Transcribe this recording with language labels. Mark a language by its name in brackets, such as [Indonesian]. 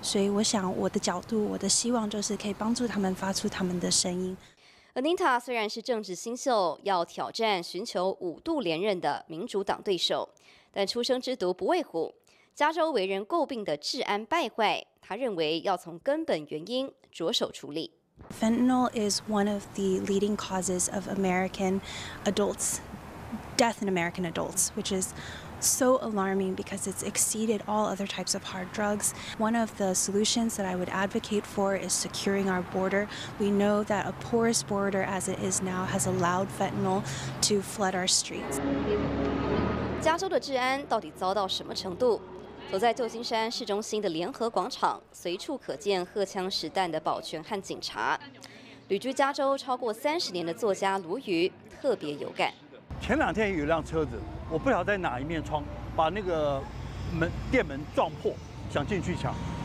[Chinese] 所以，我想我的角度，我的希望就是可以帮助他们发出他们的声音。 Anita 虽然是政治新秀，要挑战寻求5度连任的民主党对手，但出生之犊不畏虎，加州为人诟病的治安败坏，他认为要从根本原因着手处理。 [English] Fentanyl is one of the leading causes of American adults, death in American adults, which is so alarming because it's exceeded all other types of hard drugs. One of the solutions that I would advocate for is securing our border. We know that a porous border as it is now has allowed fentanyl to flood our streets. [Chinese] 加州的治安到底糟到什么程度？走在旧金山市中心的联合广场，随处可见荷枪实弹的保全和警察。旅居加州超过30年的作家罗瑜特别有感。前两天有一辆车子，我不晓得在哪一面窗，把那个店门撞破，想进去抢。